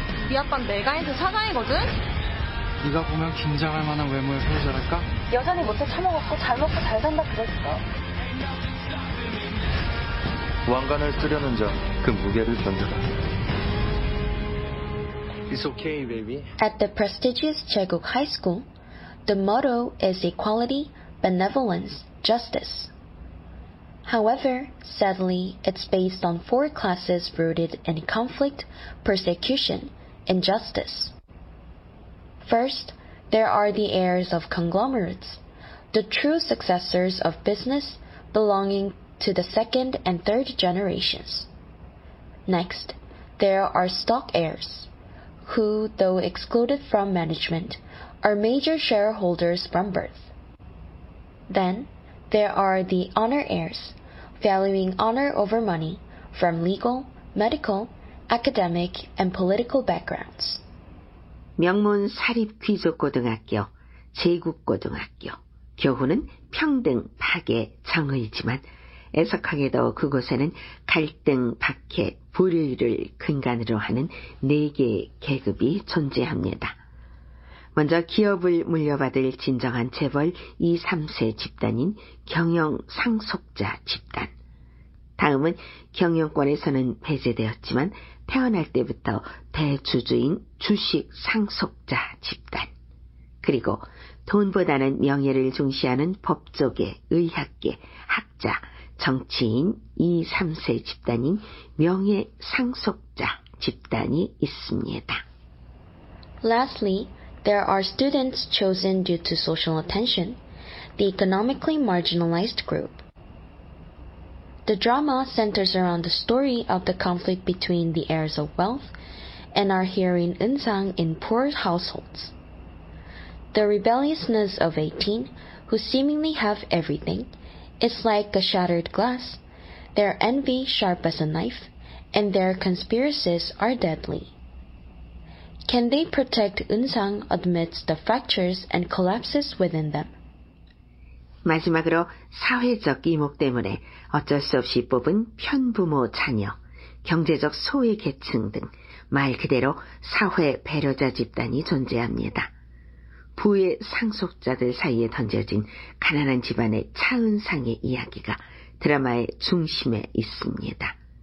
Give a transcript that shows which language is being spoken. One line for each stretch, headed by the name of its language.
Korean: 네 아빠는 메가인트 사장이거든? 네가 보면 긴장할 만한 외모의 소유자랄까? 여전히 못해 처먹었고 잘 먹고 잘 산다 그랬어. 왕관을 뜨려는 자, 그 무게를 견뎌라.
English: It's okay, baby. At the prestigious Jaeguk High School, the motto is equality, benevolence, justice. However, sadly, it's based on four classes rooted in conflict, persecution, and injustice. First, there are the heirs of conglomerates, the true successors of business belonging to the second and third generations. Next, there are stock heirs, who, though excluded from management, are major shareholders from birth. Then, there are the honor heirs, valuing honor over money from legal, medical, academic, and political backgrounds.
Korean: 명문 사립 귀족 고등학교, 제국 고등학교, 교훈은 평등, 파괴, 정의지만 애석하게도 그곳에는 갈등, 박해, 불의를 근간으로 하는 네 개의 계급이 존재합니다. 먼저 기업을 물려받을 진정한 재벌 2, 3세 집단인 경영 상속자 집단. 다음은 경영권에서는 배제되었지만 태어날 때부터 대주주인 주식 상속자 집단. 그리고 돈보다는 명예를 중시하는 법조계, 의학계, 학자, 정치인 2, 3세 집단인 명예 상속자 집단이 있습니다.
English: Lastly, there are students chosen due to social attention, the economically marginalized group. The drama centers around the story of the conflict between the heirs of wealth and our heroine Eun-sang in poor households. The rebelliousness of 18, who seemingly have everything, is like a shattered glass, their envy sharp as a knife, and their conspiracies are deadly. Can they protect Eun-sang amidst the fractures and collapses within them?
Korean: 마지막으로 사회적 이목 때문에 어쩔 수 없이 뽑은 편부모 자녀, 경제적 소외 계층 등 말 그대로 사회 배려자 집단이 존재합니다. 부의 상속자들 사이에 던져진 가난한 집안의 차은상의 이야기가 드라마의 중심에 있습니다.